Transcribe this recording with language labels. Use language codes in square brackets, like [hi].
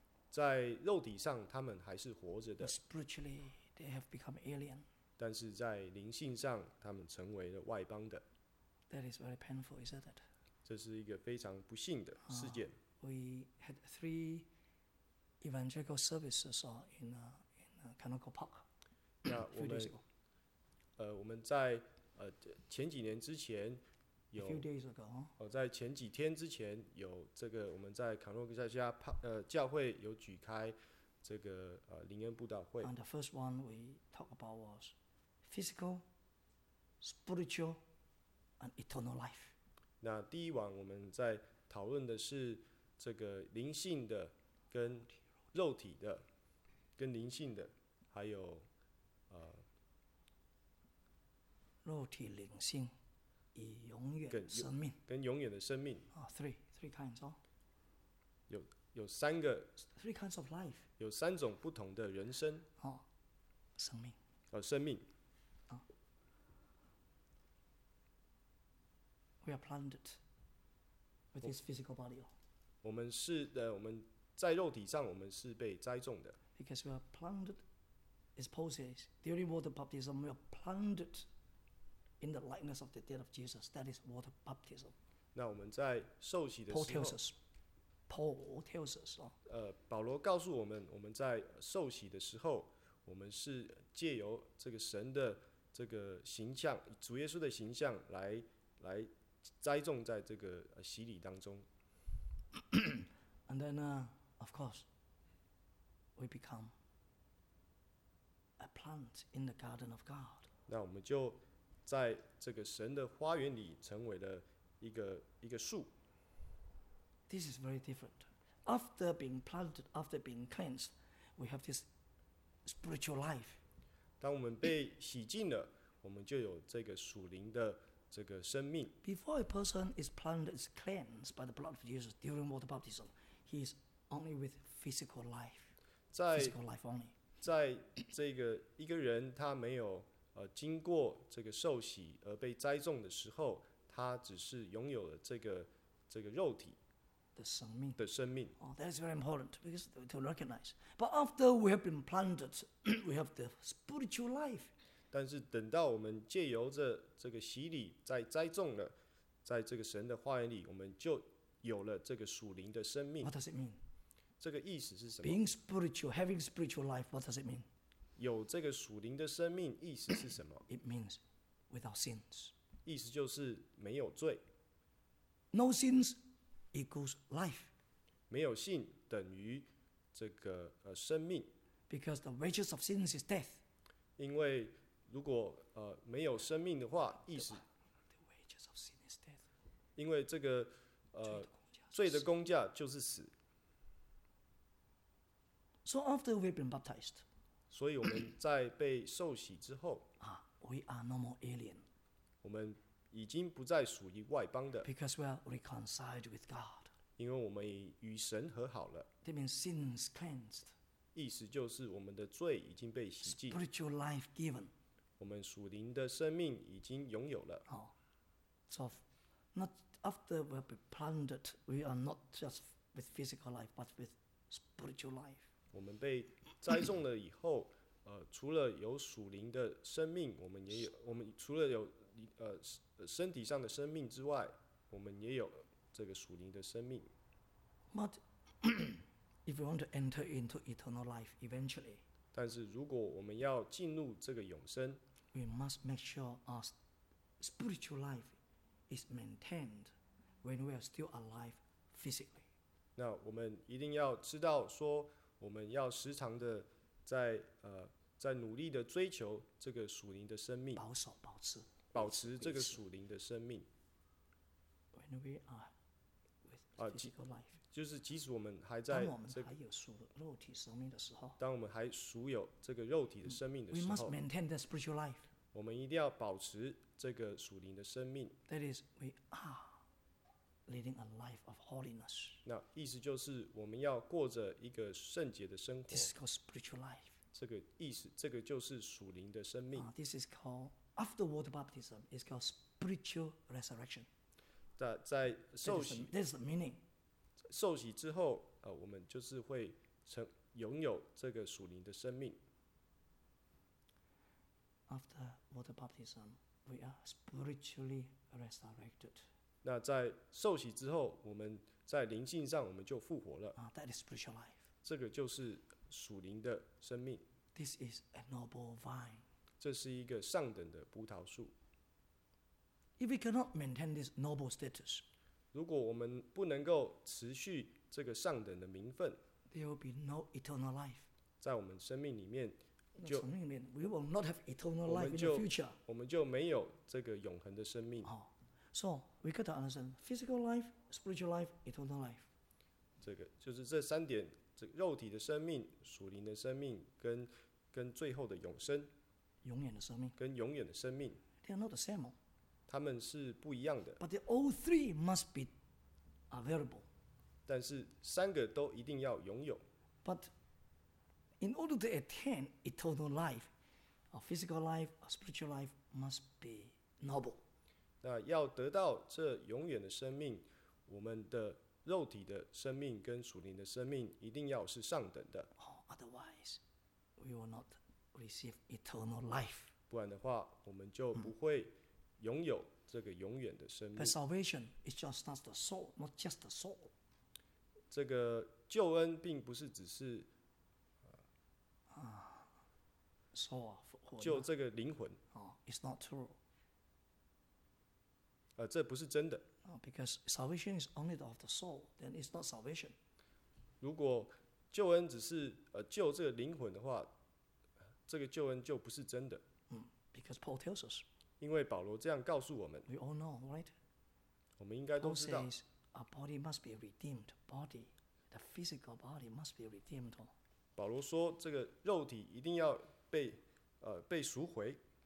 [zh] 在肉体上，他们还是活着的。 [en] Spiritually, they have become alien. [zh] 但是在灵性上，他们成为了外邦的。 [en] That is very painful, isn't it? [zh] 这是一个非常不幸的事件。 [en] We had three evangelical services in Canonical Park. [zh] 那我们在前几年之前有 [en] a few days ago, [zh] 在前几天之前有这个我们在卡洛克萨西亚教会有举开这个灵恩布道会。 [en] And the first one we talk about was physical, spiritual, and eternal life. [zh] 那第一晚我们在讨论的是这个灵性的跟肉体的跟灵性的还有。肉体灵性以永远生命跟永远的生命 [en] three kinds [zh] 有三个 [en] three kinds of life [zh] 有三种不同的人生生命生命 [en] we are planted with this physical body [zh] 我们在肉体上我们是被栽种的 [en] because we are plantedIs possessed during water baptism. We are planted in the likeness of the death of Jesus. That is water baptism. [zh] 那我们在受洗的时候 [en] Paul tells us. [zh] 保罗告诉我们，我们在受洗的时候，我们是借由这个神的这个形象，主耶稣的形象来栽种在这个洗礼当中。 [en] And then, of course, we become. A plant in the garden of God. [zh] 那我们就在这个神的花园里成为了一个树。 [en] This is very different. After being planted, after being cleansed, we have this spiritual life. [zh] 当我们被洗净了，我们就有这个属灵的这个生命。 [en] Before a person is planted, is cleansed by the blood of Jesus during water baptism, he is only with physical life. Physical life only. [zh] 在这个一个人他没有经过这个受洗而被栽种的时候，他只是拥有了这个肉体的生命的生命。 [en] Oh, that is very important because to recognize. But after we have been planted, we have the spiritual life. [zh] 但是等到我们借由这个洗礼在栽种了，在这个神的花园里，我们就有了这个属灵的生命。 [en] What does it mean? [zh] 这个意思是什么 [en] Being spiritual, having spiritual life, what does it mean? [zh] 有这个属灵的生命意思是什么 [en] It means without sins. [zh] 意思就是没有罪。 [en] No sins equals life. [zh] 没有信等于这个生命。 [en] Because the wages of sins is death. [zh] 因为如果没有生命的话意思。 [en] The wages of sin is death. [zh] 因为这个罪的工价就是死。 [en] So after we've been baptized, [zh] 所以我们在被受洗之后 [en] we are no more alien. [zh] 我们已经不再属于外邦的 [en] because we are reconciled with God. [zh] 因为我们与神和好了 [en] That means sins cleansed. [zh] 意思就是我们的罪已经被洗净 [en] Spiritual life given. [zh] 我们属灵的生命已经拥有了 [en] So not after we have been plundered, we are not just with physical life, but with spiritual life. [zh] 我们被栽种了以后，除了有属灵的生命，我们也有，我们除了有身体上的生命之外，我们也有这个属灵的生命。 [en] But if we want to enter into eternal life eventually, [zh] 但是如果我们要进入这个永生 [en] ，we must make sure our spiritual life is maintained when we are still alive physically. [zh] 那我们一定要知道说。我们要时常的 在努力的追求这个属灵的生命，保守、保持、保持这个属灵的生命。 [en] When we are with physical life, [zh] 就是即使我们还在、我们还有属肉体生命的时候，当我们还属有这个肉体的生命的时候 [en] ，we must maintain the spiritual life. [zh] 我们一定要保持这个属灵的生命。 [en] That is, we are. Leading a life of holiness. [zh] 那意思就是我们要过着一个圣洁的生活。 [en] This is called spiritual life. [zh] 这个意思，这个就是属灵的生命。 [en] This is called after water baptism. It's called spiritual resurrection. [zh] 在受洗 [en] ，That's the meaning. [zh] 受洗之后，我们就是会成拥有这个属灵的生命。 [en] After water baptism, we are spiritually resurrected. [zh] 那在受洗之后，我们在灵性上我们就复活了。 [en] That is spiritual life. [zh] 这个就是属灵的生命。 [en] This is a noble vine. [zh] 这是一个上等的葡萄树。 [en] If we cannot maintain this noble status, [zh] 如果我们不能够持续这个上等的名分 [en] ，there will be no eternal life. [zh] 在我们生命里面就，生命里面 [en] ，we will not have eternal life in the future. [zh] 我们就没有这个永恒的生命。 [en] So we got to understand physical life, spiritual life, eternal life. [zh] 这个就是这三点：这肉体的生命、属灵的生命，跟最后的永生，永远的生命，跟永远的生命。 [en] They are not the same. [zh] 他们是不一样的。 [en] But they all three must be available. [zh] 但是三个都一定要拥有。 [en] But in order to attain eternal life, our physical life, our spiritual life must be noble. [zh] 那要得到这永远的生命，我们的肉体的生命跟属灵的生命一定要是上等的。 [en] Otherwise, we will not receive eternal life. [zh] 不然的话，我们就不会拥有这个永远的生命。 [en] But salvation is just not the soul, not just the soul. [zh] 这个救恩并不是只是 [en] soul, [zh] 救这个灵魂。 [en] It's not true. [zh] 这不是真的。 [en] Because salvation is only of the soul, then it's not salvation. [zh] 如果救恩只是救这个灵魂的话，这个救恩就不是真的。 [en] Because Paul tells us. [zh] 因为保罗这样告诉我们。 [en] We all know, right? [zh] 我们应该都知道。 [en] Paul says, our body must be redeemed. Body, the physical body must be redeemed. [zh] 保罗说，这个肉体一定要被赎回。